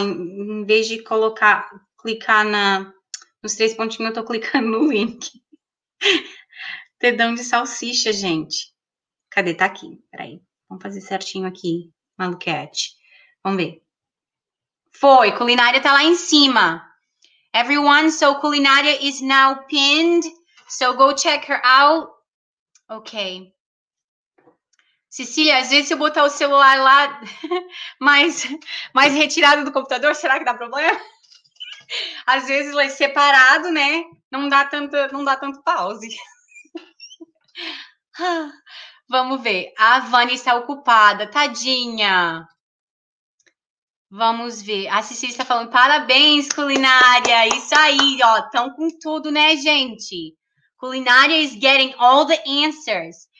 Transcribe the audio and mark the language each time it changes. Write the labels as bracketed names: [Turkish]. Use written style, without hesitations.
[Portuguese] Em vez de clicar nos três pontinhos, eu tô clicando no link. Dedão de salsicha, gente. Cadê? Tá aqui. Peraí. Vamos fazer certinho aqui, maluquete. Vamos ver. Foi. Culinária tá lá em cima. [English] Everyone, so culinária is now pinned. So go check her out. Ok. [Portuguese] Cecília, às vezes se eu botar o celular lá mais retirado do computador, será que dá problema? Às vezes lá separado, né? Não dá tanto pause. Vamos ver. A Vânia está ocupada. Tadinha. Vamos ver. A Cecília está falando, parabéns, culinária. Isso aí, ó. Estão com tudo, né, gente? [English] Culinária is getting all the answers.